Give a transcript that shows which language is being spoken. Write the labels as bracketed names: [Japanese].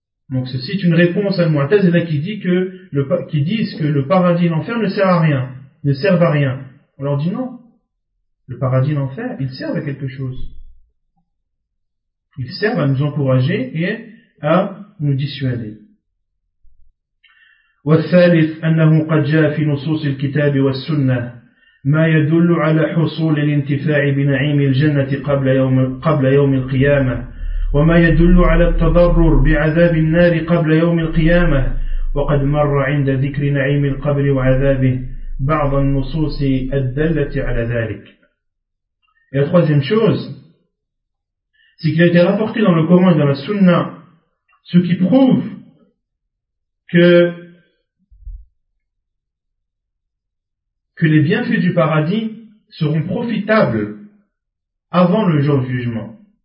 [French] Donc ceci est une réponse à Al-Mu'tazila qui disent que le paradis et l'enfer ne servent à rien, ne servent à rien. On leur dit non, le paradis et l'enfer, ils servent à quelque chose. Ils servent à nous encourager et à nous dissuader. [Arabic] والثالث أنه قد جاء في نصوص الكتاب والسنة ما يدل على حصول الانتفاع بنعيم الجنة قبل يوم القيامة وما يدل على التضرر بعذاب النار قبل يوم القيامة وقد مر عند ذكر نعيم القبر وعذابه بعض النصوص الدالة على ذلك. [French] Et la troisième chose, c'est qu'il a été rapporté dans le Coran de la Sunna ce qui prouve que les bienfaits du paradis seront profitables avant le jour du jugement.